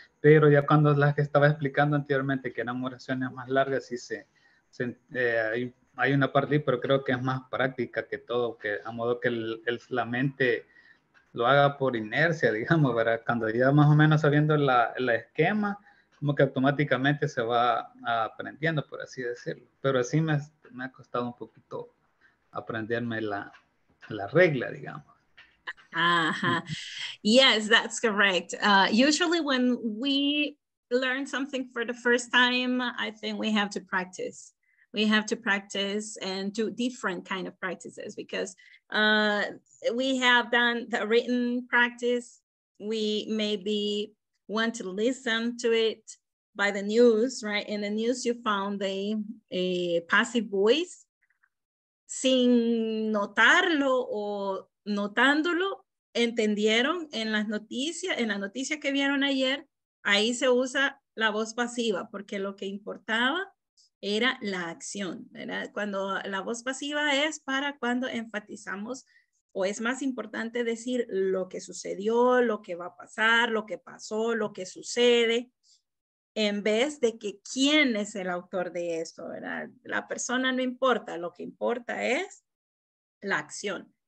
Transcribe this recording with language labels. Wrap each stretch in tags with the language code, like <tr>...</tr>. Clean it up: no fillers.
<es>Pero ya cuando las que estaba explicando anteriormente, que eran oraciones más largas, sí hay una parte, pero creo que es más práctica que todo, que a modo que la mente lo haga por inercia, digamos, ¿verdad? Cuando ya más o menos sabiendo la esquema, como que automáticamente se va aprendiendo, por así decirlo. Pero así me ha costado un poquito aprenderme la regla, digamos.</es> <en>Uh-huh. Yes, that's correct. Usually when we learn something for the first time, I think we have to practice. We have to practice and do different kind of practices because we have done the written practice. We maybe want to listen to it by the news, right? In the news, you found a passive voice.</en> <es>Sin notarlo o notándolo, entendieron en la noticia que vieron ayer, ahí se usa la voz pasiva porque lo que importaba era la acción, ¿verdad? Cuando la voz pasiva es para cuando enfatizamos o es más importante decir lo que sucedió, lo que va a pasar, lo que pasó, lo que sucede, en vez de que quién es el autor de esto, ¿verdad? La persona no importa, lo que importa es la acción.</es>